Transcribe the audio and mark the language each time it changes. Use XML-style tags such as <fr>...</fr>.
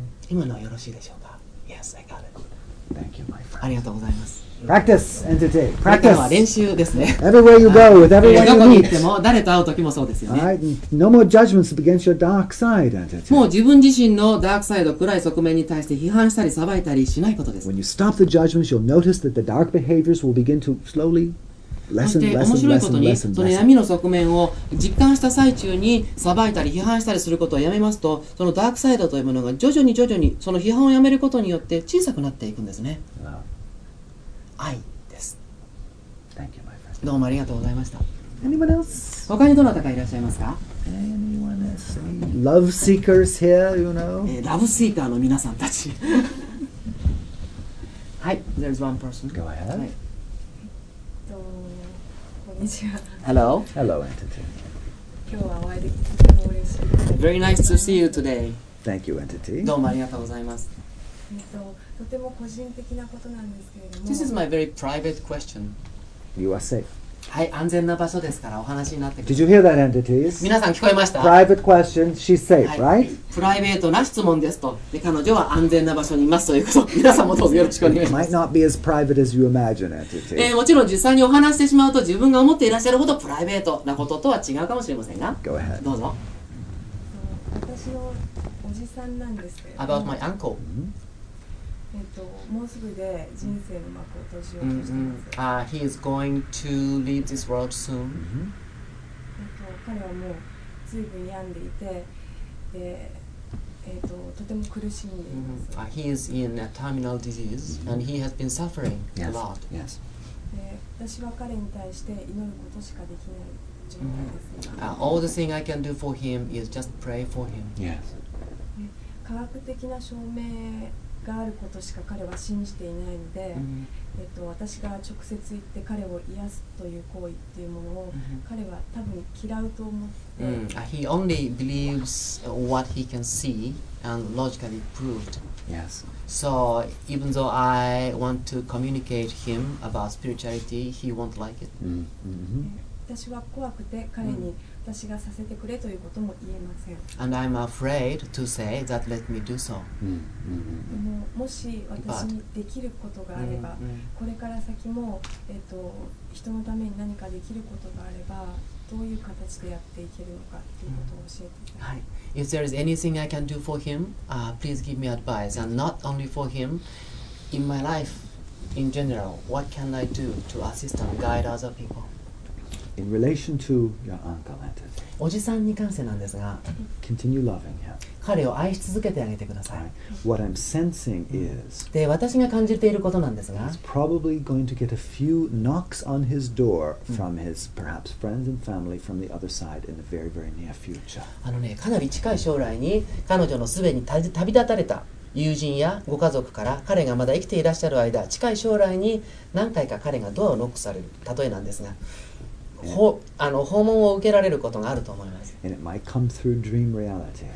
<ja>今のはよろしいでしょうか？</ja> <en>Yes, I got it. Thank you, my friend.</en> <ja>ありがとうございます。</ja> <en>Practice, entity. Practice.</en> <ja>今は練習ですね。</ja> <en>Everywhere you go, with everyone you meet.</en> <ja>行っても誰と会う時もそうですよね。</ja> <en>Right. No more judgments against your dark side, entity.</en> <ja>もう自分自身のダークサイド、暗い側面に対して批判したり裁いたりしないことです。</ja> <en>When you stop the judgments, you'll notice that the dark behaviors will begin to slowly.</en> <ja>そして面白いことに、その闇の側面を実感した最中に裁いたり批判したりすることをやめますと、そのダークサイドというものが徐々に徐々にその批判をやめることによって小さくなっていくんですね。愛です。</ja> <en>Thank you, my friend.</en> <ja>どうもありがとうございました。</ja> <en>Anyone else?</en> <ja>他にどなたかいらっしゃいますか？</ja> <en>Anyone else? Love seekers here, you know?</en> <ja>ラブシーカーの皆さんたち。</ja> <en>はい、there's one person. Go ahead.</en> <ja>こんにちは。</ja> <en>Hello. Hello, entity. Very nice to see you today. Thank you, entity.</en> <ja>どうもありがとうございます。とても個人的なことなんですけれども。</ja> <en>This is my very private question. You are safe.</en> <ja>はい、安全な場所ですからお話になってください。</ja> <en>Did you hear that, entities?</en> <ja>皆さん聞こえました</ja> <en>？Private question, she's safe,、</en> <ja>はい、</ja> <en>right?</en> <ja>プライベートな質問ですと。で、彼女は安全な場所にいますということ。皆さんもどうぞよろしくお願いします。</ja> <en>Might not be as private as you imagine, entities.</en> <ja>もちろん実際にお話してしまうと自分が思っていらっしゃるほどプライベートなこととは違うかもしれませんが。</ja> <en>Go ahead.</en> <ja>どうぞ。私のおじさんなんですけど。</ja> <en>About my uncle.、 Mm-hmm.</en> <ja>もうすぐで人生の幕を閉じようとしています。 Mm-hmm.</ja> <en>He is going to leave this world soon.</en> <ja>彼はもうずいぶん病んでいて、とても苦しんでいます。 Mm-hmm.</ja> <en>He is in a terminal disease、mm-hmm. and he has been suffering、 yes. a lot. Yes.</en> <ja>で、私は彼に対して祈ることしかできない状態です、ね。</ja> <en>Mm-hmm. All the thing I can do for him is just pray for him. Yes.</en> <ja>科学的な証明があることしか彼は信じていないので、 mm-hmm. 私が直接言って彼を癒すという行為っていうものを彼は多分嫌うと思って、 mm-hmm.</ja> <en>He only believes what he can see and logically proved. Yes. So even though I want to communicate him about spirituality, he won't like it. Mm-hmm.</en> <ja>私は怖くて彼に私がさせてくれということも言えません。</ja> <en>And I'm afraid to say that let me do so.</en> <ja>でも、 もし私にできることがあれば、これから先も、人のために何かできることがあれば、どういう形でやっていけるのかということを教えてください。</ja> <en>はい。If there is anything I can do for him, please give me advice. And not only for him, in my life, in general, what can I do to assist and guide other people? In relation to your uncle, entity.</en> <ja>おじさんに関してなんですが、</ja> <en>Continue loving him.</en> <ja>彼を愛し続けてあげてください。</ja> <en>Right. What I'm sensing is,</en> <ja>で、私が感じていることなんですが、</ja> <en>He's probably going to get a few knocks on his door from his perhaps friends and family from the other side in the very, very near future.</en> <ja>あのね、かなり近い将来に彼女のすべに旅立たれた友人やご家族から彼がまだ生きていらっしゃる間、近い将来に何回か彼がドアをノックされる例えなんですが、訪問を受けられることがあると思います。</ja> <en>And it might come through dream reality.</en>